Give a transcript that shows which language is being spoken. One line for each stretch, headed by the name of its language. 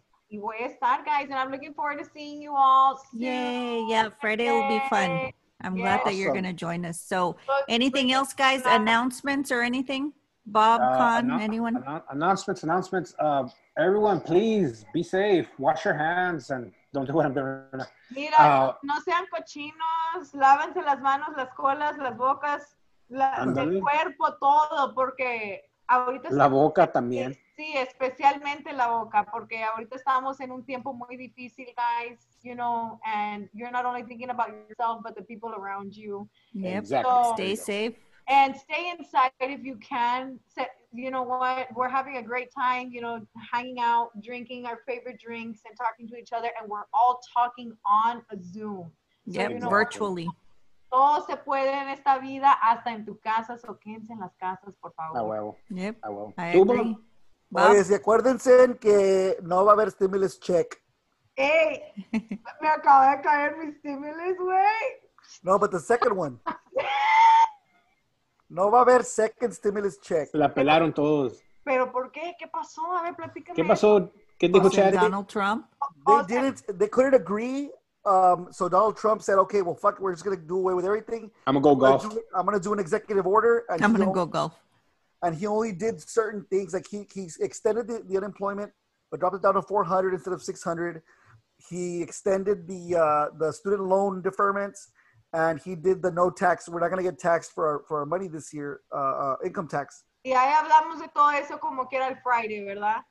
Spanish: Y voy a estar,
English: guys, and I'm looking forward to seeing you all soon. Yay! Yeah, Friday will be fun. I'm glad that you're gonna join us. So, anything else, guys? Announcements or anything? Bob, anyone? Announcements. Everyone, please be safe. Wash your hands and don't do what I'm doing.
Spanish: Mira, no sean cochinos. Lávense las manos, las colas, las bocas, el cuerpo, todo, porque ahorita... La boca también. Sí, especialmente la boca, porque ahorita estamos en un tiempo muy difícil,
English: guys, you know, and you're not only thinking about yourself, but the people around you. Yep. Exactly. So, stay safe. And stay inside if you can. You know what? We're having a great time, you know, hanging out, drinking our favorite drinks and talking to each other. And we're all talking on a Zoom. So, yep, you know, virtually.
Spanish: Todo se puede en esta vida hasta en tu casa.
English: So
Spanish: quédense en las casas, por favor.
English: I will. Yep. I will. I agree.
Spanish: Bob. Oye, si acuérdense que no va a haber
English: stimulus check.
Spanish: Hey, me acabo de caer mi stimulus, güey.
English: No, but the second one.
Spanish: No va a haber
English: second stimulus check.
Spanish: La pelaron todos. ¿Pero por qué? ¿Qué pasó? A ver, platícame. ¿Qué pasó? ¿Qué dijo Chad? Donald Trump?
English: They couldn't agree. So Donald Trump said, okay, well, fuck, we're just going to do away with everything. I'm going to do an executive order. And I'm going to go golf. And he only did certain things. Like he extended the unemployment, but dropped it down to 400 instead of 600. He extended the student loan deferments. And he did the no tax. We're not going to get taxed for our money this year, income tax.
Spanish: Y ahí hablamos de todo eso como que era el Friday, ¿verdad?